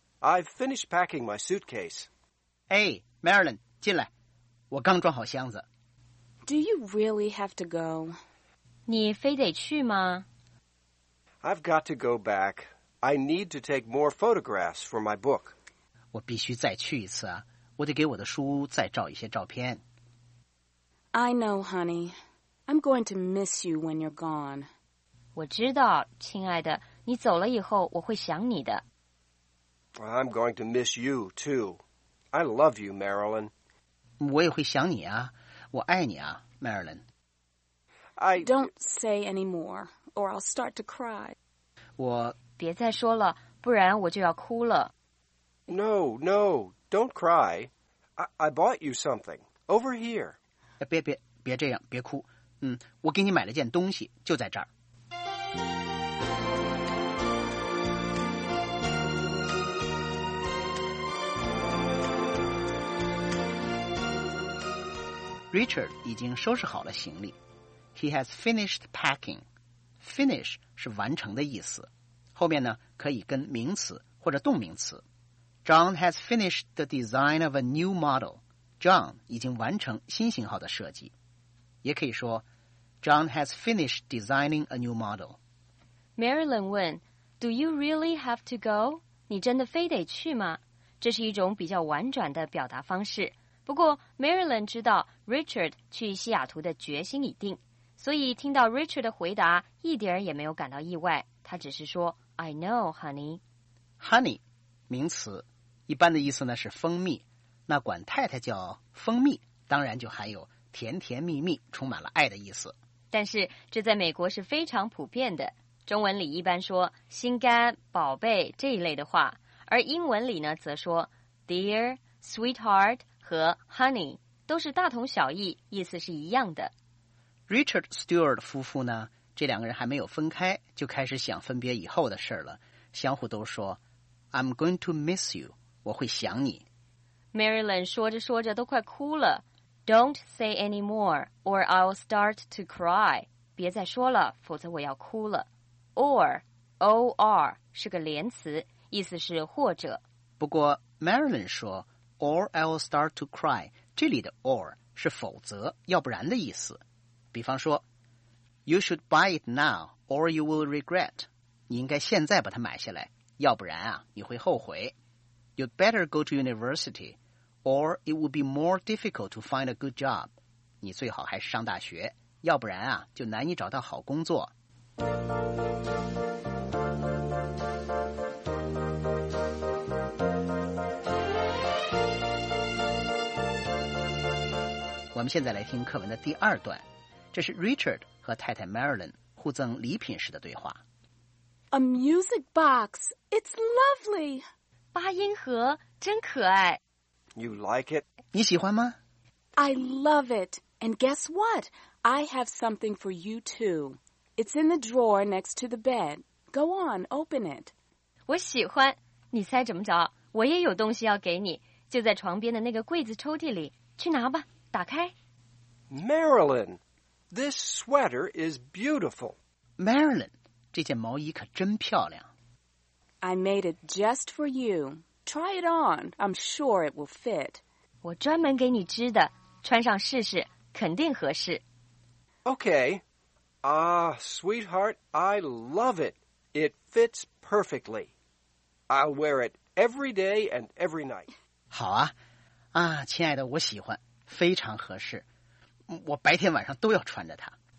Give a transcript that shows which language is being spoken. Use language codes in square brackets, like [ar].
[en] I've finished packing my suitcase. Hey, Marilyn, [zh] 进来。我刚装好箱子。 [en] Do you really have to go? [zh] 你非得去吗？ [en] I've got to go back. I need to take more photographs for my book. [zh] 我必须再去一次啊。我得给我的书再照一些照片。 [en] I know, honey. I'm going to miss you when you're gone. [zh] 我知道，亲爱的，你走了以后我会想你的。 [en] I'm going to miss you, too. I love you, Marilyn. [zh] 我也会想你啊。我爱你啊 ，Marilyn。 [en] I don't say any more, or I'll start to cry. [zh] 我别再说了，不然我就要哭了。 [en] No, no, don't cry. I bought you something over here. [zh] 别这样，别哭。我给你买了件东西，就在这儿。 Richard 已经收拾好了行李。 [en] He has finished packing. [zh] Finish 是完成的意思，后面呢可以跟名词或者动名词。 [en] John has finished the design of a new model. [zh] John 已经完成新型号的设计。也可以说 [en] John has finished designing a new model. Marilyn [zh] 问 [en] Do you really have to go? [zh] 你真的非得去吗？这是一种比较婉转的表达方式。不过 Marilyn 知道 Richard 去西雅图的决心已定，所以听到 Richard 的回答一点儿也没有感到意外。他只是说 [en] I know, honey. [zh] Honey, 名词，一般的意思呢是蜂蜜。那管太太叫蜂蜜，当然就含有甜甜蜜蜜，充满了爱的意思。但是这在美国是非常普遍的，中文里一般说心肝、宝贝这一类的话，而英文里呢则说 dear, sweetheart,和 honey 都是大同小异，意思是一样的。 Richard Stewart 夫妇呢，这两个人还没有分开，就开始想分别以后的事了，相互都说 [en] I'm going to miss you， [zh] 我会想你。 Marilyn 说着说着都快哭了。 [en] Don't say any more, or I'll start to cry. [zh] 别再说了，否则我要哭了。Or 是个连词，意思是或者。不过 Marilyn 说。 [en] Or I'll start to cry. [zh] 这里的 or 是否则、要不然的意思。比方说 [en] ，You should buy it now, or you will regret. [zh] 你应该现在把它买下来，要不然啊，你会后悔。 [en] You'd better go to university, or it would be more difficult to find a good job. [zh] 你最好还是上大学，要不然啊，就难以找到好工作。我们现在来听课文的第二段，这是 Richard 和太太 Marilyn 互赠礼品时的对话。 [en] A music box, it's lovely. [zh] 八音盒真可爱。 [en] You like it? [zh] 你喜欢吗？ [en] I love it. And guess what? I have something for you too. It's in the drawer next to the bed. Go on, open it. [zh] 我喜欢。你猜怎么着？我也有东西要给你，就在床边的那个柜子抽屉里，去拿吧。打开。 [en] Marilyn, this sweater is beautiful. [zh] Marilyn, 这件毛衣可真漂亮。 [en] I made it just for you. Try it on. I'm sure it will fit. [zh] 我专门给你织的，穿上试试，肯定合适。 [en] Okay. Sweetheart, I love it. It fits perfectly. I'll wear it every day and every night. [zh] 好啊。啊，亲爱的，我喜欢。非常合适，我白天晚上都要穿着它。